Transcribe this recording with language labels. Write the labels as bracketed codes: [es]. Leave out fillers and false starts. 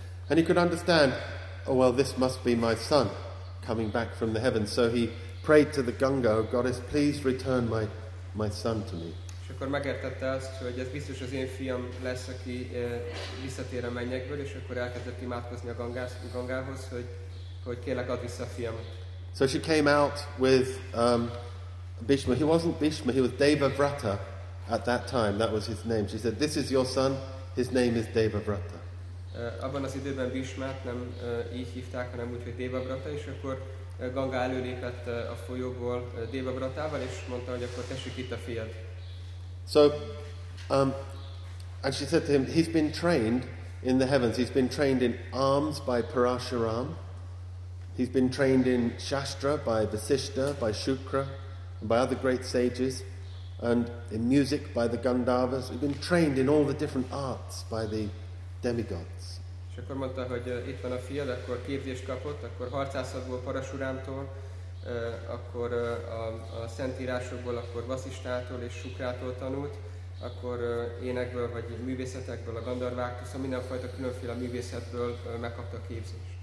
[en] And he could understand, oh well, this must be my son coming back from the heavens. So he prayed to the Ganga, oh goddess, please return my son to me. [hu] És akkor megértette azt, hogy ez biztos az én fiam lesz, aki visszatér a mennyekből, és akkor elkezdett imádkozni a Gangához, hogy kérlek, add vissza a fiamat. [en] So she came out with Bhishma. He wasn't Bhishma, he was Devavrata at that time. That was his name. She said, this is your son, his name is Devavrata. [hu] Abban az időben Bhishmát nem így hívták, hanem úgy, hogy Devavrata, és akkor Ganga előlépett a folyóból Devavratával, és mondta, hogy akkor tessék itt a fiad. [en] So, and she said to him, he's been trained in the heavens. He's been trained in arms by Parashuram. He's been trained in Shastra by Vasishtha, by Shukra, and by other great sages, and in music by the Gandharvas. He's been trained in all the different arts by the demigods. [hu] És akkor mondta, hogy itt van a fiad, akkor képzést kapott, akkor harcászatból Parashuramtól, akkor a szentírásokból, akkor Vasisthától és Shukrától tanult, akkor énekből vagy művészetekből, a gandharváktól, szóval mindenfajta különféle művészetből megkapta a képzést.